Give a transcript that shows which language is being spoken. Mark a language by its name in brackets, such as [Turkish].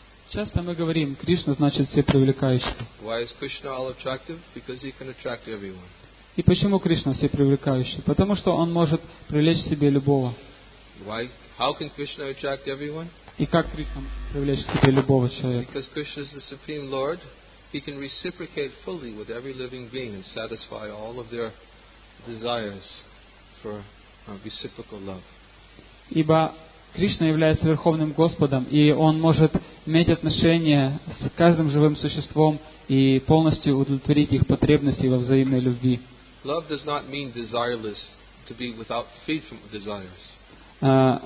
[Russian] Часто мы говорим, Кришна значит все привлекающий. И почему Кришна все привлекающий? Потому что он может привлечь себе любого. [English] Why? How can Krishna attract everyone? [Russian] И как Кришна привлечь к себе любого человека? [English] Because Krishna is the supreme Lord, he can reciprocate fully with every living being and satisfy all of their desires for reciprocal love. [Russian] Ибо Кришна является верховным Господом, и он может иметь отношения с каждым живым существом и полностью удовлетворить их потребности во взаимной любви. [English] Love does not mean desireless, to be without freed from desires.